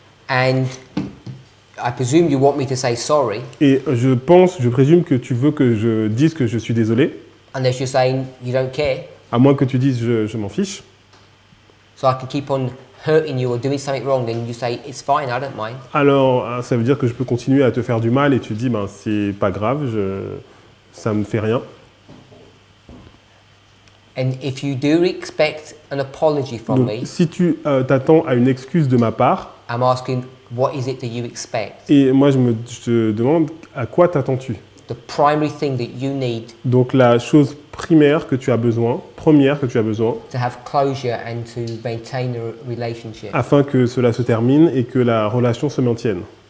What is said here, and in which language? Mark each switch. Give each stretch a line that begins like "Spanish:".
English: And I presume you want me to say sorry.
French: Et je présume que tu veux que je dise que je suis désolé.
English: Unless you're saying you don't care.
French: À moins que tu dises je m'en fiche.
English: So I can keep on hurting you or doing something wrong, then you say it's fine, I don't mind.
French: Alors ça veut dire que je peux continuer à te faire du mal et tu dis ben c'est pas grave, ça me fait rien.
English: And if you do expect an apology from
French: Donc,
English: me,
French: si tu t'attends à une excuse de ma part,
English: I'm asking, what is it that you expect?
French: Et moi, je te demande, à quoi t'attends-tu?
English: The primary thing that you need.
French: Donc, la chose primaire que tu as besoin, première que tu as besoin,
English: to have closure and to maintain the relationship.
French: Afin que cela se termine et que la relation se maintienne.